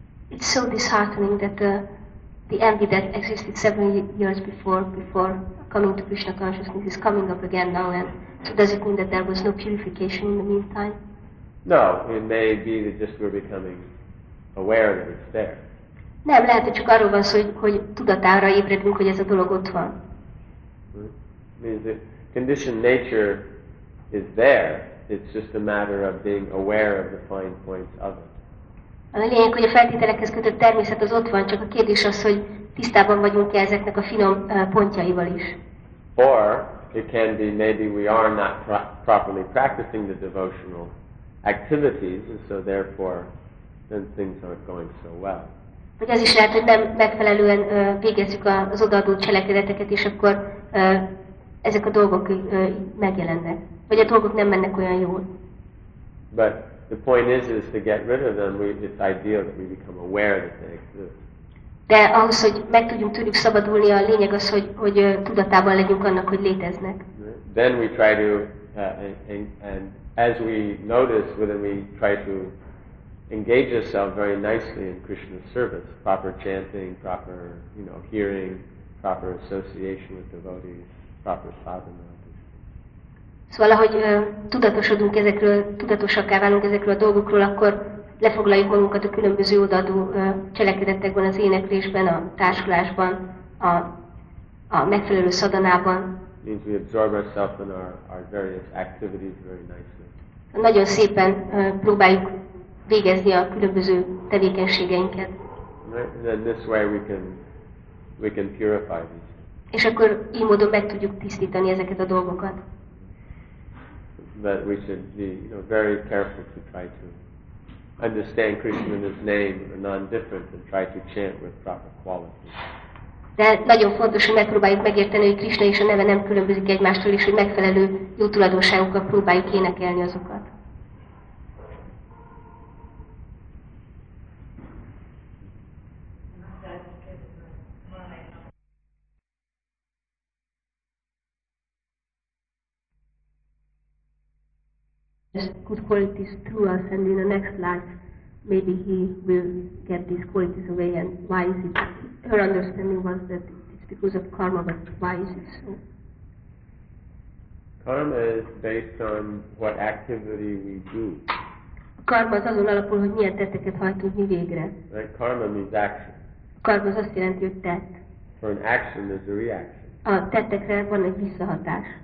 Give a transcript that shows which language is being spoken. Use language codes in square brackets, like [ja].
[en] It's so disheartening that the envy that existed 7 years before coming to Krishna consciousness is coming up again now. And so does it mean that there was no purification in the meantime? No, it may be that just we're becoming aware that it's there. [hu] Nem, lehet, hogy csak arról van szó, hogy tudatára ébredünk, hogy ez a dolog ott van. [en] Means the conditioned nature is there. It's just a matter of being aware of the fine points of it. [hu] A lényeg, hogy a feltételekhez kötött természet az ott van, csak a kérdés az, hogy tisztában vagyunk-e ezeknek a finom pontjaival is. [en] Or it can be maybe we are not properly practicing the devotional activities, and so therefore then things aren't going so well. [hu] Vagy az is lehet, hogy nem megfelelően végezzük az odaadott cselekedeteket, és akkor ezek a dolgok megjelennek. Vagy a dolgok nem mennek olyan jól. [en] But the point is to get rid of them, it's ideal that we become aware that they exist. [hu] De ahhoz, hogy meg tudjunk tőlük szabadulni, a lényeg az, hogy tudatában legyünk annak, hogy léteznek. [en] Then we try to and as we notice, whether we try to engage ourselves very nicely in Krishna's service, proper chanting, proper, you know, hearing, proper association with devotees, proper sadhana. [hu] Szóval, ahogy tudatosodunk ezekről, tudatosakká válunk ezekről a dolgokról, akkor lefoglaljuk magunkat a különböző odaadó cselekedetekben, az éneklésben, a társulásban, a megfelelő szadanában. [en] Means we absorb ourselves in our various activities very nicely. [hu] Nagyon szépen próbáljuk végezni a különböző tevékenységeinket. [en] Then this way we can purify these. [hu] És akkor így módon meg tudjuk tisztítani ezeket a dolgokat. [en] That we should be, you know, very careful to try to understand Krishna in his name or non-different and try to chant with proper quality. [hu] De nagyon fontos, hogy megpróbáljuk megérteni, hogy Krishna és a neve nem különbözik egymástól, és hogy megfelelő jó tulajdonságokkal próbáljuk énekelni azokat. [en] Good qualities through us, and in the next life, maybe he will get these qualities away. And why is it? Her understanding was that it's because of karma, but why is it so? Karma is based on what activity we do. [hu] Karma az azon alapul, hogy milyen tetteket hajtunk mi végre. [en] Right? Karma means action. [hu] Karma az azt jelenti, hogy tett. [en] For an action, there's a reaction. [hu] A tettekre van egy visszahatás.